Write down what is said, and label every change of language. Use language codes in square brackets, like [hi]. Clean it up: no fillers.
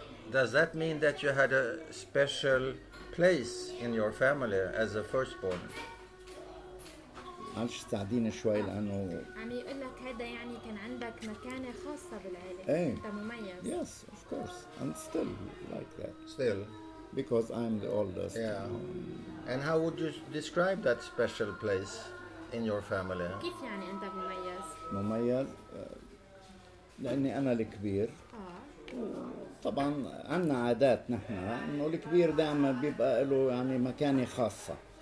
[en] Does that mean that you had a special place in your family as a firstborn? [ar] معلش تساعديني شوي لانه عم يقول لك هذا يعني كان عندك مكانه خاصه بالعائله انت مميز [en] yes of course and still like that still because I'm the oldest yeah and how would you describe that special place in your family [ar] كيف يعني انت مميز مميز لاني انا الكبير طبعا عندنا عادات نحن انه الكبير دائما بيبقى له يعني مكانه خاصه